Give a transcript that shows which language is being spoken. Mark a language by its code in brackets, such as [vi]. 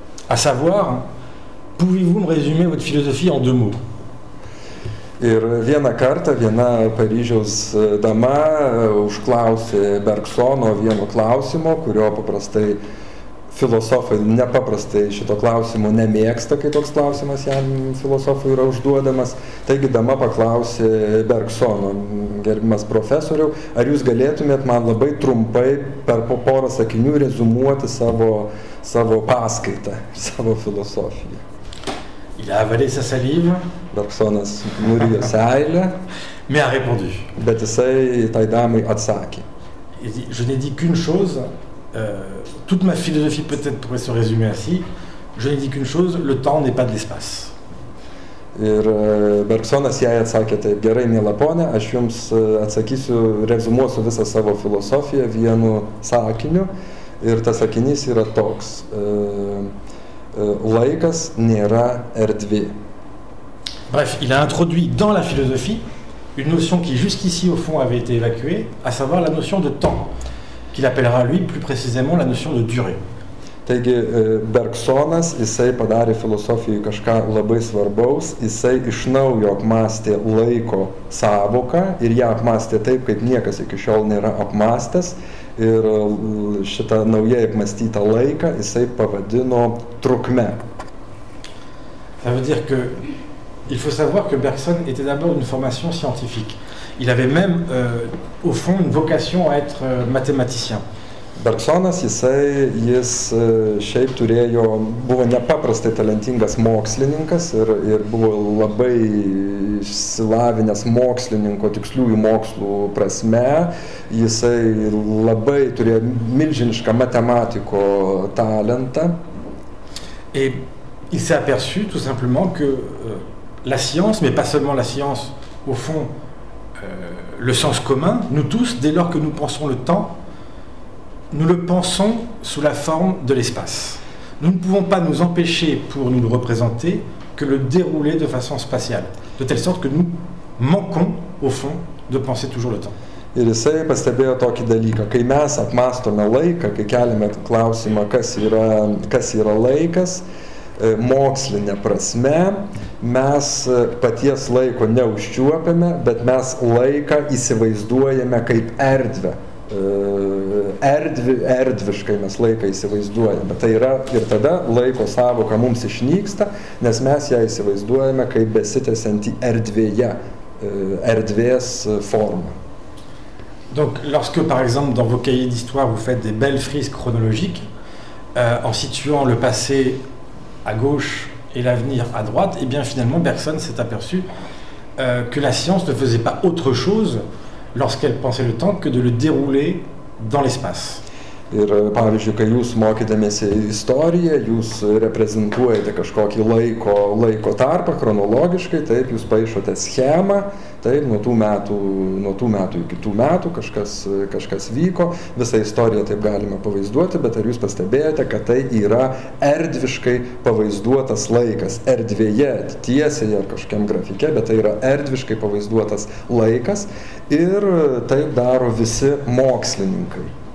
[fr] À savoir, pouvez-vous me résumer votre philosophie en deux mots ? [lt] Ir vieną kartą viena Paryžiaus dama užklausė Bergsono vieno klausimo, kurio paprastai filosofai nepaprastai šito klausimo nemėgsta, kai toks klausimas jam filosofui yra užduodamas. Taigi dama paklausė Bergsono, gerbimas profesoriau, ar jūs galėtumėt man labai trumpai per porą sakinių rezumuoti savo paskaitą, savo filosofiją. [fr] Il a avalé sa salive. [lt] Bergsonas nurijo seilę. [fr] Mais a répondu. [lt] Bet jisai tai damai atsakė. [fr] Je n'ai dit qu'une chose. Toute ma philosophie peut-être pourrait se résumer ainsi. Je n'ai dit qu'une chose. Le temps n'est pas de l'espace. [lt] Ir Bergsonas jai atsakė taip. Gerai, miela ponė, aš jums atsakysiu, rezumuosiu visą savo filosofiją vienu sakiniu. Ir tas sakinys yra toks. Laikas nėra erdvė. [fr] Bref, il a introduit dans la philosophie une notion qui jusqu'ici au fond avait été évacuée, à savoir la notion de temps, qu'il appellera lui plus précisément la notion de durée. [lt] Taigi, Bergsonas, jisai padarė filosofijai kažką labai svarbaus, jisai iš naujo apmastė laiko sąvoką ir ją apmastė taip, kaip niekas iki šiol nėra apmastęs. Ir šitą naujai apmastytą laiką jisai pavadino trukme. [fr] Ça veut dire que il faut savoir que Bergson était d'abord une formation scientifique. Il avait même au fond une vocation à être mathématicien. [lt] Bergsonas jis šiaip turėjo buvo nepaprastai talentingas mokslininkas ir buvo labai išsilavinęs mokslininko tiksliųjų mokslų prasme. Jisai labai turėjo milžinišką matematiko talentą. [fr] Et il s'est aperçu tout simplement que la science, mais pas seulement la science, au fond le sens commun, nous tous, dès lors que nous pensons le temps, nous le pensons sous la forme de l'espace. Nous ne pouvons pas nous empêcher, pour nous le représenter, que le dérouler de façon spatiale, de telle sorte que nous manquons, au fond, de penser toujours le temps. [lt] Ir jisai pastebėjo tokį dalyką, kai mes apmastome laiką, kai keliame klausimą, kas yra laikas, mokslinė prasme, mes paties laiko neužčiuopiame, bet mes laiką įsivaizduojame kaip erdvę. Erdviškai mes laiką įsivaizduojame. Tai yra ir tada laiko sąvoka mums išnyksta, nes mes ją įsivaizduojame kaip besitęsianti erdvėje, erdvės formą. [fr] Donc lorsque par exemple dans vos cahiers d'histoire vous faites des belles frises chronologiques en situant le passé à gauche et l'avenir à droite, et bien finalement Bergson s'est aperçu que la science ne faisait pas autre chose lorsqu'elle pensait le temps que de le dérouler dans l'espace. [lt] Ir pavyzdžiui, kai jūs mokydamiesi istoriją, jūs reprezentuojate kažkokį laiko tarpą chronologiškai, taip, jūs paišote schemą, taip, nuo tų metų iki tų metų kažkas vyko, visą istoriją taip galima pavaizduoti, bet ar jūs pastebėjote, kad tai yra erdviškai pavaizduotas laikas, erdvėje, tiesėje ar kažkiam grafike, bet tai yra erdviškai pavaizduotas laikas ir taip daro visi mokslininkai.